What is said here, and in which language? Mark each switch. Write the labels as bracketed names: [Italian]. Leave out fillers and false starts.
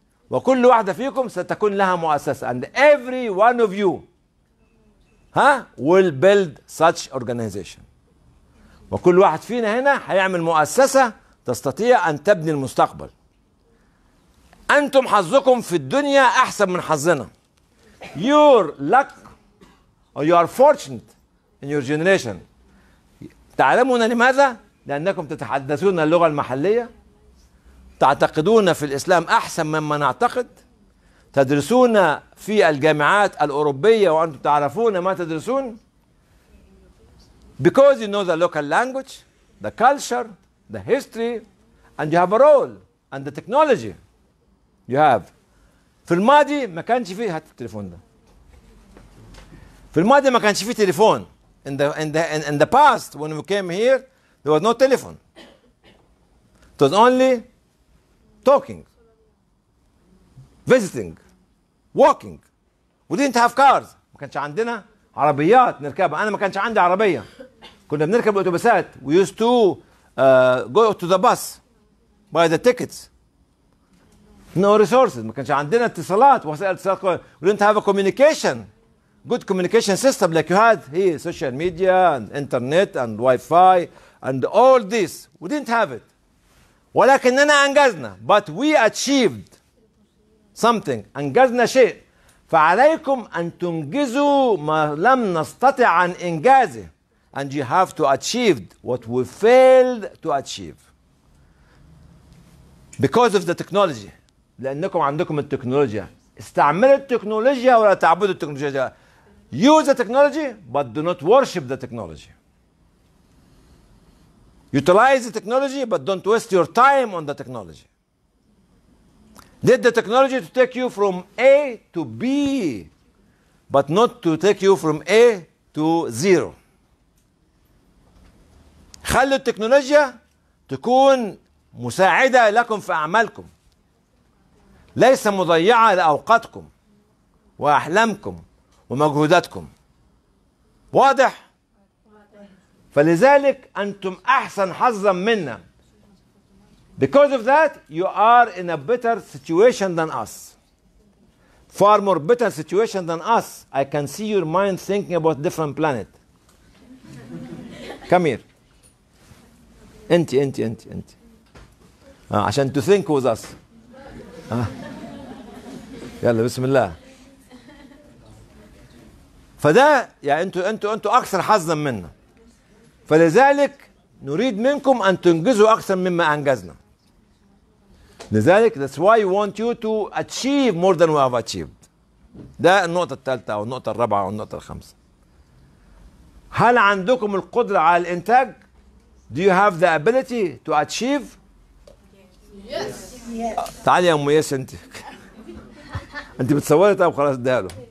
[Arabic] وكل واحد فيكم ستكون لها مؤسسة. [English] And every one of you will build such organization. [Arabic] وكل واحد فينا هنا هيعمل مؤسسة تستطيع أن تبني المستقبل. أنتم حظكم في الدنيا أحسن من حظنا. [English] Your luck or you are fortunate in your generation. [Arabic] تعلمون لماذا؟ لأنكم تتحدثون اللغة المحلية, تعتقدون في الإسلام أحسن مما نعتقد, تدرسون في الجامعات الأوروبية وأنتم تعرفون ما تدرسون. [English] Because you know the local language, the culture, the history, and you have a role and the technology. You have. [Arabic] في الماضي ما كانش فيه, هات التليفون ده. في الماضي ما كانش فيه تليفون. [English] In the past when we came here, there was no telephone. It was only talking, visiting, walking. We didn't have cars. [Arabic] ما كانش عندنا عربيات نركبها. أنا ما كانش عندي عربية. كنا بنركب الأوتوبيسات. [English] We used to go to the bus, buy the tickets. No resources. [Arabic] ما كانش عندنا اتصالات وسائل اتصال. [English] We didn't have a communication, good communication system like you had here, social media and internet and Wi-Fi and all this. We didn't have it. [Arabic] ولكننا أنجزنا. [English] But we achieved something. [Arabic] أنجزنا شيء. فعليكم أن تنجزوا ما لم نستطع عن إنجازه. [English] And you have to achieve what we failed to achieve. Because of the technology. [Arabic] لأنكم عندكم التكنولوجيا. استعمل التكنولوجيا ولا تعبد التكنولوجيا. [English] Use the technology but do not worship the technology. Utilize the technology but don't waste your time on the technology. Let the technology to take you from A to B but not to take you from A to zero. [Arabic] خلوا التكنولوجيا تكون مساعدة لكم في أعمالكم، ليس مضيعة لأوقاتكم وأحلامكم ومجهوداتكم. واضح؟ فلذلك أنتم أحسن حظا منا. [English] Because of that you are in a better situation than us. Far more better situation than us. I can see your mind thinking about different planet. Come here. [Arabic] انت. عشان [English] to think with us. [Arabic] يلا بسم الله. فده يعني انتوا اكثر حظا منا. فلذلك نريد منكم ان تنجزوا اكثر مما انجزنا. لذلك [English] that's why we want you to achieve more than we have achieved. [Arabic] ده النقطة الثالثة أو النقطة الرابعة أو النقطة الخامسة. هل عندكم القدرة على الإنتاج؟ [English] Do you have the ability to achieve? Yes. [Arabic] تعالي يا أم ياس أنت. أنت بتصوري طب خلاص اديها له.